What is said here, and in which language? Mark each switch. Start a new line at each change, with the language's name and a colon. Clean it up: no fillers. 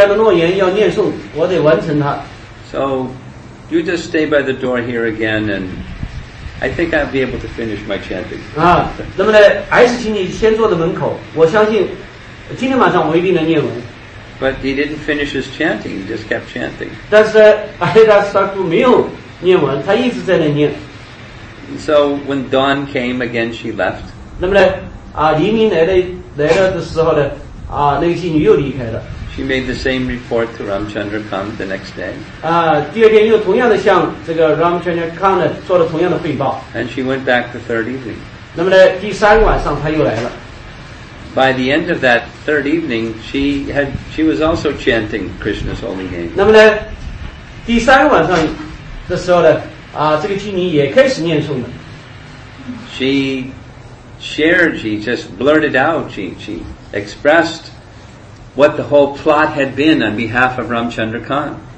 Chinese: 因为我许下的诺言要念诵，我得完成它。
English: So, you just stay by the door here again, and I think I'll be able to finish my chanting.
Chinese: 那么呢，还是请你先坐在门口，我相信今天晚上我一定能念完。
English: But he didn't finish his chanting, he just kept chanting.
Chinese: 但是阿黎达斯塔库没有念完，他一直在那念。
English: So, when dawn came again, she left.
Chinese: 那么呢，黎明来了的时候呢，
English: She made the same report to Ramchandra Khan the next day.
Chinese: 第二天又同样的向这个 Ramchandra Khan 做了同样的汇报。
English: And she went back the third evening.
Chinese: 那么呢，第三晚上她又来了。
English: By the end of that third evening, she was also chanting Krishna's holy name.
Chinese: 那么呢，第三晚上的时候呢，这个妓女也开始念诵了。
English: She shared. She just blurted out. She expressed what the whole plot had been on behalf of Ramchandra Khan.